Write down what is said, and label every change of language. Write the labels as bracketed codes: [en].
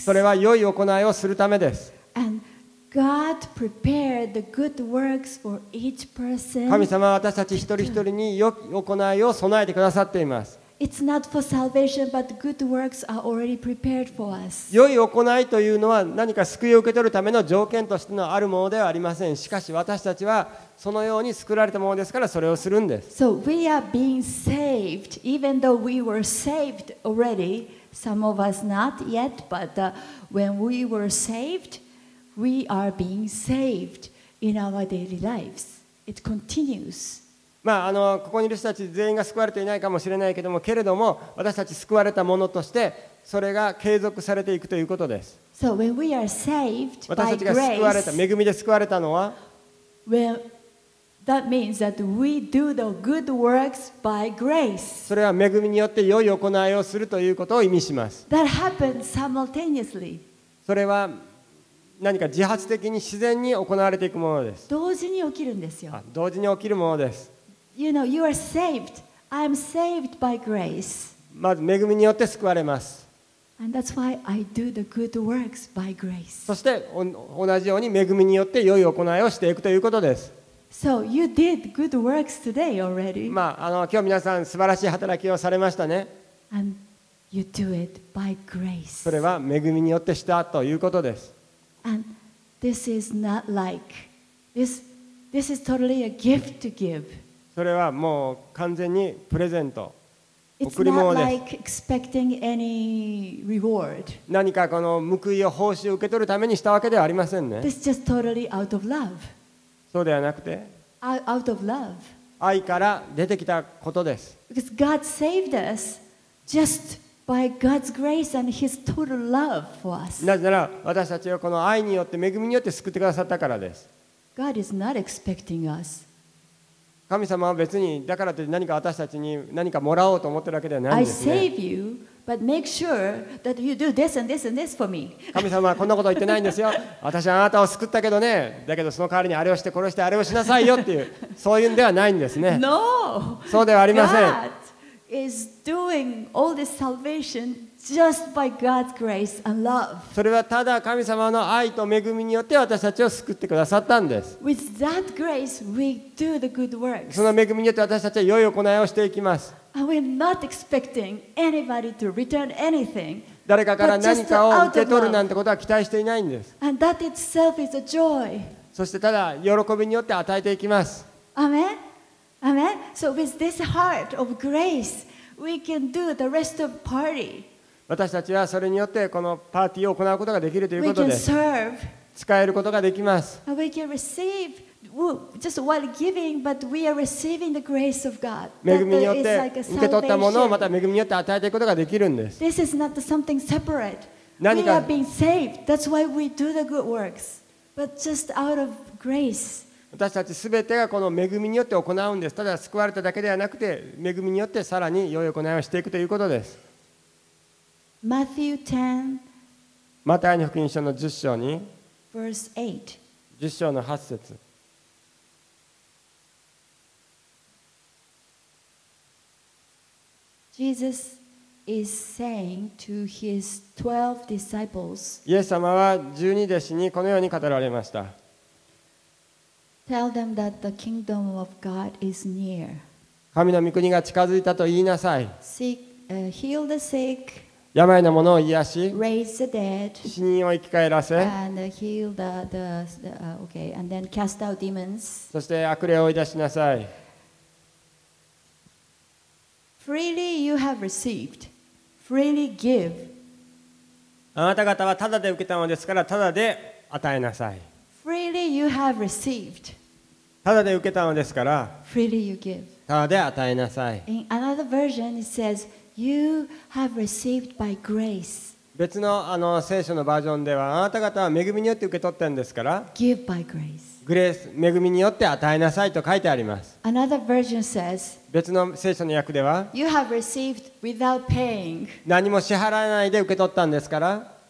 [ja] それは良い行いをするためです。 [en] And God prepared the good works for each person. [ja] 神様は私たち一人一人に良い行いを備えてくださっています。 [en] It's not for salvation, but good works are already prepared for us. [ja] 良い行いというのは何か救いを受け取るための条件としてのあるものではありません。しかし私たちはそのように作られたものですから、それをするんです。 [en] So we are being saved, even though we were saved alreadySome of us not yet, but when we were saved, we are being saved in our daily lives. It continues. [ja] まあ、ここにいる人たち全員が救われていないかもしれないけども、けれども私たち救われたものとしてそれが継続されていくということです。 [en] So、when we are saved by [ja] 私たちが救われた [en] grace, [ja] 恵みで救われたのは [en] well, that means that we do the good works by grace. [ja] それは恵みによって良い行いをするということを意味します。 [en] That happens simultaneously. [ja] それは何か自発的に自然に行われていくものです。同時に起きるんですよ。同時に起きるものです。 [en] You know, you are saved. I'm saved by grace. [ja] まず恵みによって救われます。 [en] And that's why I do the good works by grace. [ja] そして同じように恵みによって良い行いをしていくということです。 [en] So you did good works today already. [ja] まあ、今日皆さん素晴らしい働きをされましたね。 [en] And you do it by grace. [ja] それは恵みによってしたということです。 [en] And this is not like this. This is totally a gift to give. [ja] それはもう完全にプレゼント、贈り物です。 [en] It's not like expecting any reward. [ja] 何かこの報いを報酬を受け取るためにしたわけではありませんね。 [en] It's just totally out of love. [ja] そうではなくて、 [en] out of love. [ja] 愛から出てきたことです。 [en] Because God saved us just by God's grace and His total love for us. [ja] なぜなら私たちをこの愛によって恵みによって救ってくださったからです。 [en] God is not expecting us. [ja] 神様は別にだからって何か私たちに何かもらおうと思ってるわけではないんですね。 [en] I save you, but make sure that you do this and this and this for me. [ja] 神様はこんなこと言ってないんですよ。私はあなたを救ったけどね。だけどその代わりにあれをして殺してあれをしなさいよっていうそういうんではないんですね。 [en] No. [ja] そうではありません。 [en] God is doing all this salvation just by God's grace and love. [ja] それはただ神様の愛と恵みによって私たちを救ってくださったんです。 [en] With that grace, we do the good works. [ja] その恵みによって私たちは良い行いをしていきます。 [en] And we're not expecting anybody to return anything. [ja] 誰かから何かを受け取るなんてことは期待していないんです。 [en] And that itself is a joy. [ja] そしてただ喜びによって与えていきます。 [en] Amen. Amen. So with this heart of grace, we can do the rest of party. [ja] 私たちはそれによってこのパーティーを行うことができるということです。 [en] We can serve. [ja] 使えることができます。 [en] We can receive just while giving, but we are receiving the grace of God. [ja] 恵みによって受け取ったものをまた恵みによって与えていくことができるんです。 [en] This is not something separate. We are being saved. That's why we do the good works. But just out of grace. [ja] 私たちすべてがこの恵みによって行うんです。ただ救われただけではなくて、恵みによってさらに良い行いをしていくということです。 [en] Matthew 10, [ja] マタイの福音書の10章に [en] verse 8, [ja] 10章の8節 [en] Jesus is saying to his 12 disciples, [ja] イエス様は12弟子にこのように語られました。 [en] Tell them that the kingdom of God is near. [ja] 神の御国が近づいたと言いなさい。 [en] Seek, heal the sick. [ja] 病の者を癒し、 [en] Raise the dead, [ja] 死人を生き返らせ、 [en] and then cast out demons. [ja] そして悪霊を追い出しなさい。 [en] Freely you have received, freely give. [ja] あなた方はただで受けたのですから、ただで与えなさい。 [en] Freely you have received, [ja] ただで受けたのですから、 [en] freely you give. [ja] ただで与えなさい。 [en] In another version, it says,You have received by grace. [ja] 別の、聖書のバージョンではあなた方は恵みによって受け取ったんですから [en] Give by grace. [ja] グレース恵みによって与えなさいと書いてあります。 [en] Another version says, [ja] 別の聖書の訳では [en] You have received without paying. [ja] 何も支払わないで受け取ったんですから